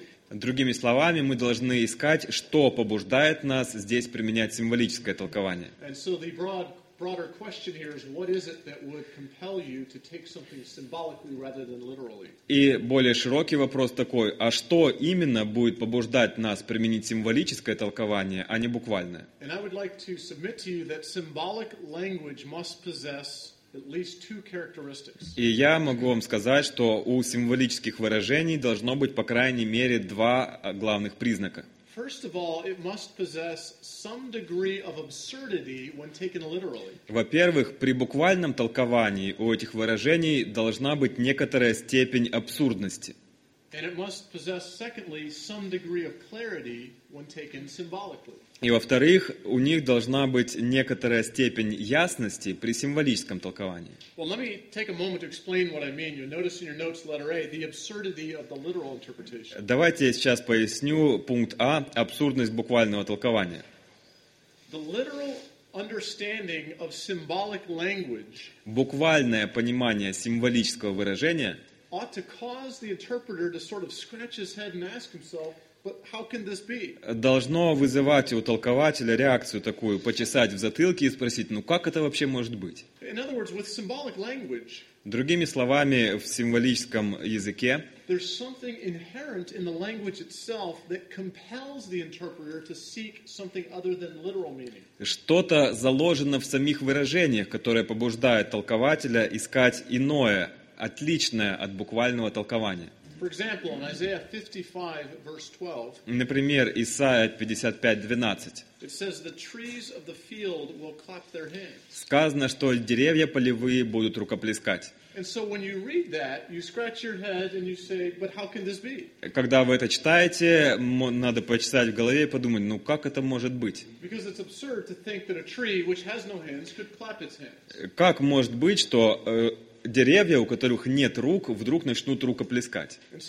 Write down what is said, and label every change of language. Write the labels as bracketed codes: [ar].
[ru] Другими словами, мы должны искать, что побуждает нас здесь применять символическое толкование. [en] Broader question here is, what is it that would compel you to take something symbolically rather than literally? [ru] И более широкий вопрос такой, а что именно будет побуждать нас применить символическое толкование, а не буквальное? [en] And I would like to submit to you that symbolic language must possess at least two characteristics. [ru] И я могу вам сказать, что у символических выражений должно быть по крайней мере два главных признака. [en] First of all, it must possess some degree of absurdity when taken literally. [ru] Во-первых, при буквальном толковании у этих выражений должна быть некоторая степень абсурдности. [en] And it must possess, secondly, some degree of clarity when taken symbolically. [ru] И во-вторых, у них должна быть некоторая степень ясности при символическом толковании. [en] Well, let me take a moment to explain what I mean. You'll notice in your notes, letter A, the absurdity of the literal interpretation. [ru] Давайте я сейчас поясню пункт А, абсурдность буквального толкования. [en] The literal understanding of symbolic language. [ru] Буквальное понимание символического выражения. [en] Ought to cause the interpreter to sort of scratch his head and ask himself. But how can this be? [ru] Должно вызывать у толкователя реакцию такую, почесать в затылке и спросить, ну как это вообще может быть? [en] In other words, with symbolic language. [ru] Другими словами, в символическом языке. [en] There's something inherent in the language itself that compels the interpreter to seek something other than literal meaning. [ru] Что-то заложено в самих выражениях, которое побуждает толкователя искать иное, отличное от буквального толкования. [en] For example, in Isaiah 55, verse 12. [ru] Например, Исаия 55:12. [en] It says the trees of the field will clap their hands. [ru] Сказано, что деревья полевые будут рукоплескать. [en] And so when you read that, you scratch your head and you say, but how can this be? [ru] Когда вы это читаете, надо почесать в голове и подумать, ну как это может быть? [en] Because it's absurd to think that a tree which has no hands could clap its hands. [ru] Как может быть, что деревья, у которых нет рук, вдруг начнут рукоплескать.